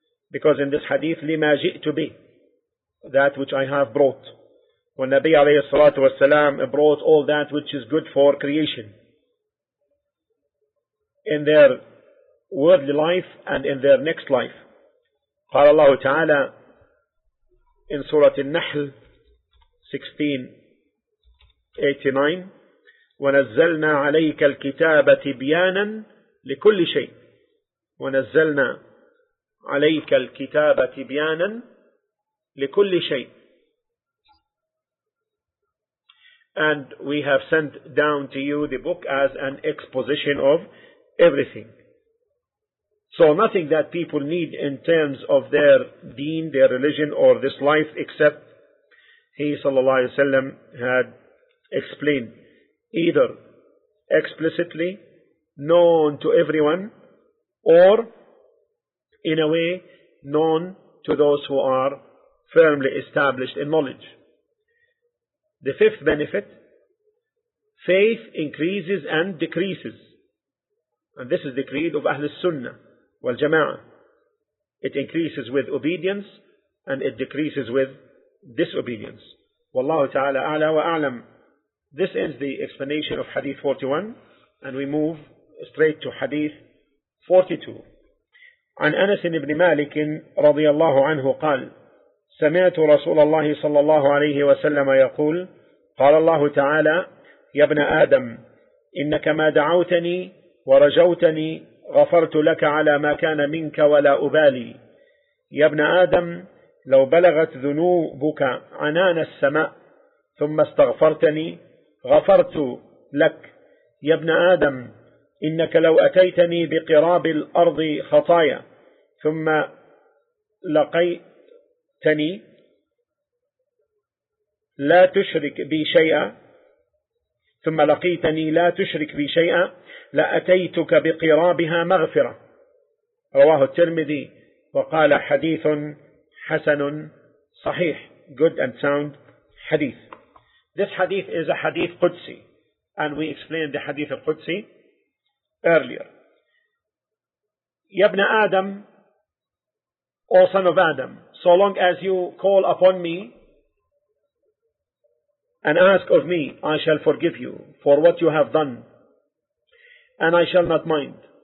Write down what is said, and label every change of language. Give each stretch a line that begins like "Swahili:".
English: Because in this hadith,
Arabic: لِمَا جِئْتُ بِي,
English: that which I have brought. When Nabi alayhi salatu wasalam brought all that which is good for creation in their worldly life and in their next life.
Arabic: قال الله تعالى
English: in Surah An-Nahl 16:89,
Arabic: وَنَزَّلْنَا عَلَيْكَ الْكِتَابَ تِبْيَانًا لِكُلِّ شَيْءٍ وَنَزَّلْنَا عَلَيْكَ الْكِتَابَ تِبْيَانًا لِكُلِّ شَيْءٍ.
English: And we have sent down to you the book as an exposition of everything. So nothing that people need in terms of their deen, their religion, or this life, except he sallallahu alayhi wa sallam had explained, either explicitly known to everyone or in a way known to those who are firmly established in knowledge. The fifth benefit: faith increases and decreases. And this is the creed of Ahlul Sunnah wal Jama'ah. It increases with obedience and it decreases with disobedience. Wallahu ta'ala a'la wa a'lam. This ends the explanation of Hadith 41, and we move straight to Hadith 42.
Arabic: عن أنس بن مالك رضي الله عنه قال سمعت رسول الله صلى الله عليه وسلم يقول قال الله تعالى يا ابن آدم إنك ما دعوتني ورجوتني غفرت لك على ما كان منك ولا أبالي يا ابن آدم لو بلغت ذنوبك عنان السماء ثم استغفرتني غفرت لك يا ابن آدم إنك لو أتيتني بقراب الأرض خطايا ثم لقيتني لا تشرك بي شيئا ثم لقيتني لا تشرك بي شيئا لأتيتك بقرابها مغفرة. رواه الترمذي وقال حديث حسن صحيح.
English: Good and sound hadith. This hadith is a hadith Qudsi, and we explained the hadith of Qudsi earlier. Yabna Adam, O son of Adam, so long as you call upon me and ask of me, I shall forgive you for what you have done, and I shall not mind.